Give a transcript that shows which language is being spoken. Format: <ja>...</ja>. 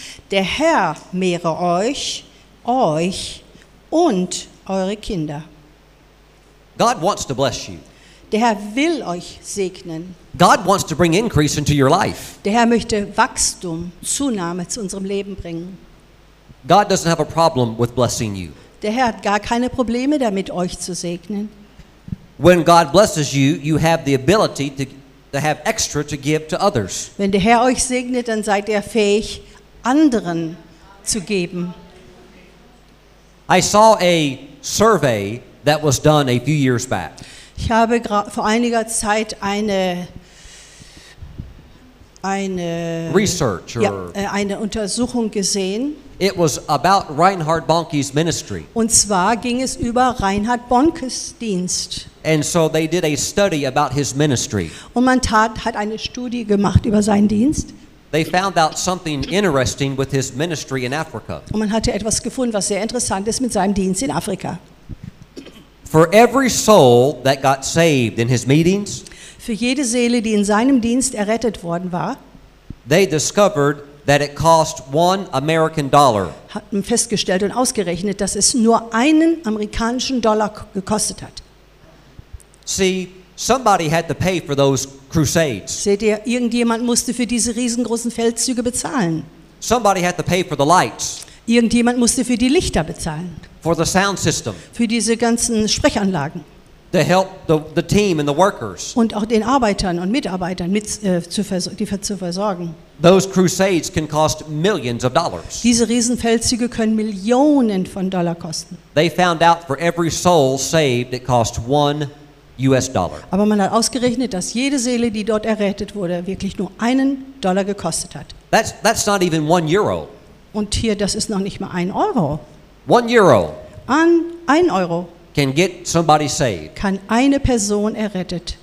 <de>Der Herr mehre euch und eure Kinder.</de> <en>God wants to bless you.</en> <de>Der Herr will euch segnen.</de> <en>God wants to bring increase into your life.</en> <de>Der Herr möchte Wachstum, Zunahme zu unserem Leben bringen.</de> <en>God doesn't have a problem with blessing you.</en> <de>Der Herr hat gar keine Probleme damit, euch zu segnen.</de> <en>When God blesses you, you have the ability to have extra to give to others.</en> <de>Wenn der Herr euch segnet, dann seid ihr fähig, anderen zu geben.</de> <en>I saw a survey that was done a few years back.</en> <de>Ich habe vor einiger Zeit eine</de> <en>Research or,</en> <de>ja, eine Untersuchung gesehen.</de> <en>It was about Reinhard Bonnke's ministry.</en> <de>Und zwar ging es über Reinhard Bonnkes Dienst.</de> <en>And so they did a study about his ministry.</en> <de>Und man hat eine Studie gemacht über seinen Dienst.</de> <en>They found out something interesting with his ministry in Africa.</en> <de>Und man hatte etwas gefunden, was sehr interessant ist mit seinem Dienst in Afrika.</de> <en>For every soul that got saved in his meetings,</en> <de>für jede Seele, die in seinem Dienst errettet worden war,</de> <en>they discovered that it cost one American dollar.</en> <de>Hatten festgestellt und ausgerechnet, dass es nur einen amerikanischen Dollar gekostet hat.</de> <en>See, somebody had to pay for those crusades.</en> <de>Seht ihr, irgendjemand musste für diese riesengroßen Feldzüge bezahlen.</de> <en>Somebody had to pay for the lights.</en> <de>Irgendjemand musste für die Lichter bezahlen.</de> <en>For the sound system.</en> <de>Für diese ganzen Sprechanlagen.</de> <en>To help the team and the workers.</en> <de>Und auch den Arbeitern und Mitarbeitern mit zu versorgen.</de> <en>Those crusades can cost millions of dollars.</en> <de>Diese Riesenfeldzüge können Millionen von Dollar kosten.</de> <en>They found out for every soul saved it cost one US dollar.</en> <de>Aber man hat ausgerechnet, dass jede Seele, die dort errettet wurde, wirklich nur einen Dollar gekostet hat.</de> <en>That's not even one euro.</en> <de>Und hier, das ist noch nicht mal ein Euro.</de> <en>One euro.</en> <de>Ein Euro.</de> <en>Can get somebody saved.</en> <de>Kann eine Person errettet.</de>